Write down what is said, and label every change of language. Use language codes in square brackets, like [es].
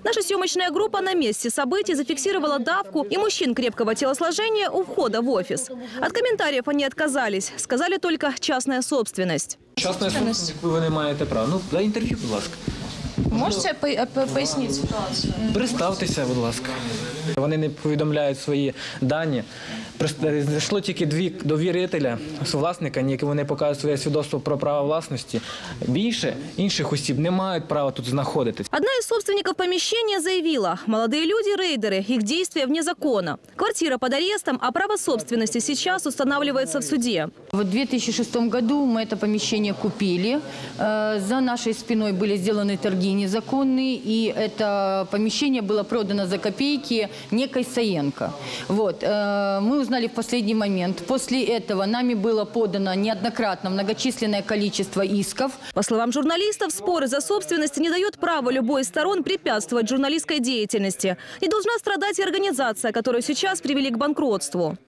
[ru] Наша съемочная группа на месте событий зафиксировала давку и мужчин крепкого телосложения у входа в офис. От комментариев они отказались, сказали только «частная собственность». Частная собственность, вы понимаете, право. Ну, для интервью, пожалуйста. Можете пояснить ситуацию? Представьтесь, пожалуйста. [uk] Вони не повідомляють свої дані. Прийшло тільки дві довірителя, власника, які вони показують своє свідоцтво про право власності. Більше інших осіб не мають права тут знаходитись. Одна із собственників поміщення заявила, молоді люди – рейдери, їх дійства [ru] вне закону. [uk] Квартира під арестом, а право собственності зараз встановлюється в суді. В 2006 році ми це поміщення купили. За нашою спиною були зроблені торги незаконні. І це поміщення було продано за копійки некій Саєнко. [ru] Ми узнали в последний момент. После этого нами было подано неоднократно многочисленное количество исков. По словам журналистов, споры за собственность не дают права любой из сторон препятствовать журналистской деятельности. И должна страдать и организация, которую сейчас привели к банкротству.